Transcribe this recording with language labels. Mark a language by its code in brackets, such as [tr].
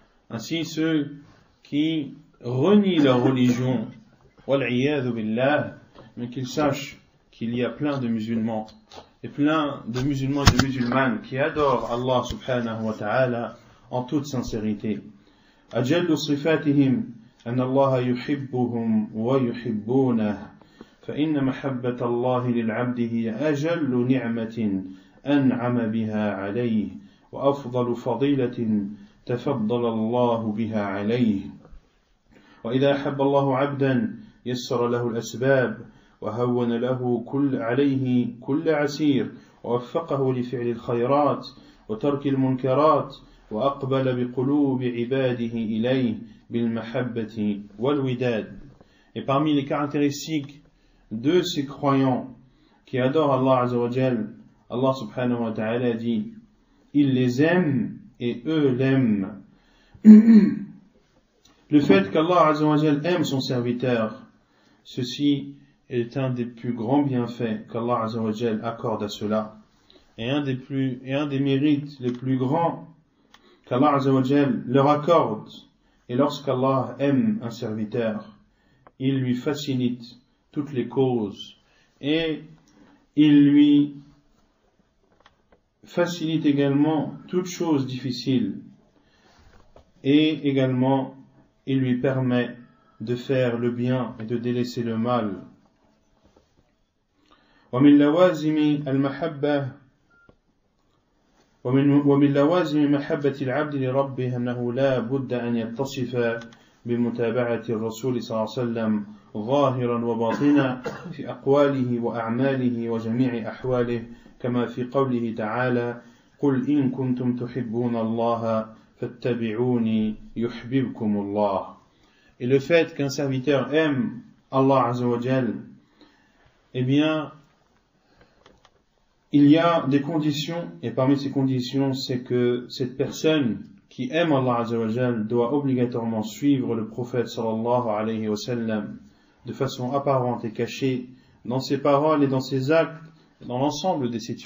[fr] Ainsi, ceux qui renient leur religion, wal'iyadu billah, mais qu'ils sachent qu'il y a plein de musulmans et plein de musulmans et de musulmanes qui adorent Allah subhanahu wa ta'ala en toute sincérité. [ar] أجل صفاتهم أن الله يحبهم ويحبونه فإن محبة الله للعبد هي أجل نعمة أنعم بها عليه وأفضل فضيلة تفضل الله بها عليه وإذا أحب الله عبدا يسر له الأسباب وهون له عليه كل عسير ووفقه لفعل الخيرات وترك المنكرات وأقبل بقلوب عباده إليه بالمحبة والوداد. [fr] Et parmi les caractéristiques de ces croyants qui adorent Allah Azza wa Jal, Allah subhanahu wa ta'ala dit, il les aime et eux l'aiment. Le fait qu'Allah Azza wa Jal aime son serviteur, ceci est un des plus grands bienfaits qu'Allah Azza wa Jal accorde à cela. Et un des mérites les plus grands qu'Allah Azza wa Jal leur accorde. Et lorsqu'Allah aime un serviteur, il lui facilite toutes les causes. Et il lui facilite également toutes choses difficiles. Et également, il lui permet de faire le bien et de délaisser le mal. [ar] وَمِنْ لَوَازِمِ الْمَحَبَّةِ ومن لوازم محبة العبد لربه أنه لا بد أن يتصف بمتابعة الرسول صلى الله عليه وسلم ظاهرا وباطنا في أقواله وأعماله وجميع أحواله كما في قوله تعالى قل إن كنتم تحبون الله فاتبعوني يحببكم الله. [fr] Et le fait qu'un serviteur aime Allah [ar] عز وجل, [fr] eh bien, il y a des conditions, et parmi ces conditions, c'est que cette personne qui aime Allah Azza wa Jal doit obligatoirement suivre le prophète sallallahu alayhi wa sallam de façon apparente et cachée dans ses paroles et dans ses actes, dans l'ensemble de